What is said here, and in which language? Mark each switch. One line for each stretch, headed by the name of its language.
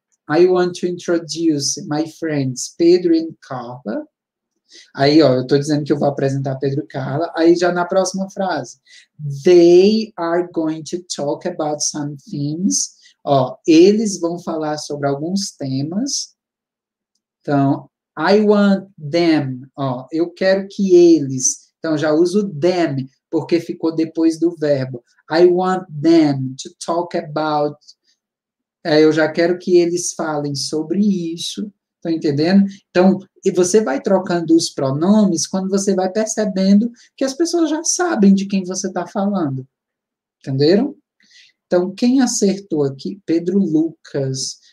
English: I want to introduce my friends, Pedro and Carla.
Portuguese: Aí, ó, eu tô dizendo que eu vou apresentar Pedro e Carla. Aí, já na próxima frase.
English: They are going to talk about some things.
Portuguese: Ó, eles vão falar sobre alguns temas. Então,
English: I want them.
Portuguese: Ó, eu quero que eles. Então, já uso them, porque ficou depois do verbo.
English: I want them to talk about...
Portuguese: Eu já quero que eles falem sobre isso, tá entendendo? Então, e você vai trocando os pronomes quando você vai percebendo que as pessoas já sabem de quem você está falando. Entenderam? Então, quem acertou aqui? Pedro Lucas.